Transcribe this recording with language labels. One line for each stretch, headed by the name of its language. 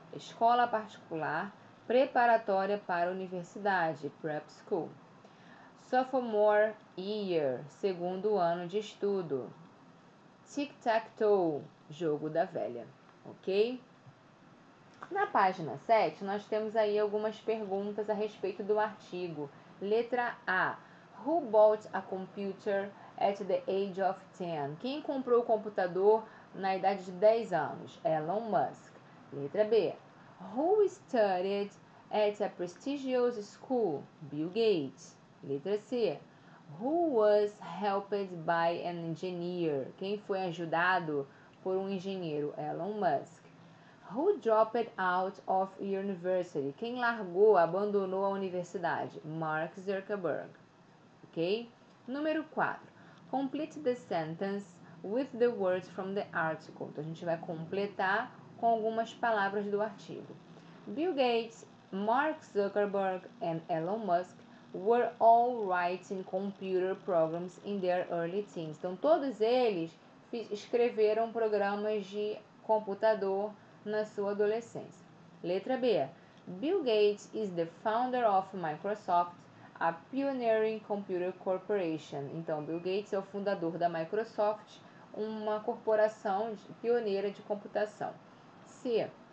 Portuguese: Escola particular preparatória para a universidade, prep school. Sophomore year, segundo ano de estudo. Tic-tac-toe, jogo da velha, ok? Na página 7, nós temos aí algumas perguntas a respeito do artigo. Letra A,
English: who bought a computer at the age of 10?
Portuguese: Quem comprou o computador na idade de 10 anos? Elon Musk. Letra B,
English: who studied at a prestigious school? Bill Gates.
Portuguese: Letra C,
English: who was helped by an engineer?
Portuguese: Quem foi ajudado por um engenheiro? Elon Musk.
English: Who dropped out of university?
Portuguese: Quem largou, abandonou a universidade? Mark Zuckerberg. Ok? Número 4.
English: Complete the sentence with the words from the article.
Portuguese: Então, a gente vai completar com algumas palavras do artigo.
English: Bill Gates, Mark Zuckerberg and Elon Musk were all writing computer programs in their early teens.
Portuguese: Então, todos eles escreveram programas de computador na sua adolescência. Letra B.
English: Bill Gates is the founder of Microsoft, a pioneering computer corporation.
Portuguese: Então, Bill Gates é o fundador da Microsoft, uma corporação pioneira de computação. C.